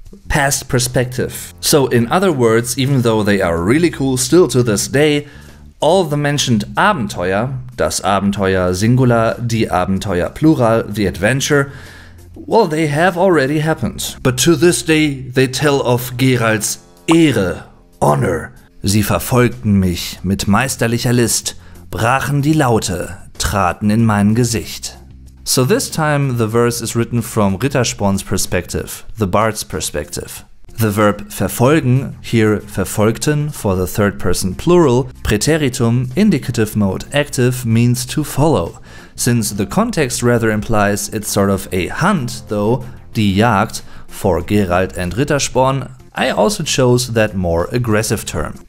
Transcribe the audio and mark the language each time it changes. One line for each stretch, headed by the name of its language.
English: past perspective. So in other words, even though they are really cool still to this day, all the mentioned Abenteuer,
German: das Abenteuer
English: Singular,
German: die Abenteuer
English: Plural, the adventure, well, they have already happened. But to this day, they tell of Geralt's Ehre, honor.
German: Sie verfolgten mich mit meisterlicher List, brachen die Laute, traten in mein Gesicht.
English: So this time the verse is written from Rittersporn's perspective, the bard's perspective. The verb verfolgen, here verfolgten for the third person plural, preteritum, indicative mode active, means to follow. Since the context rather implies it's sort of a hunt, though,
German: die Jagd,
English: for Geralt and Rittersporn, I also chose that more aggressive term.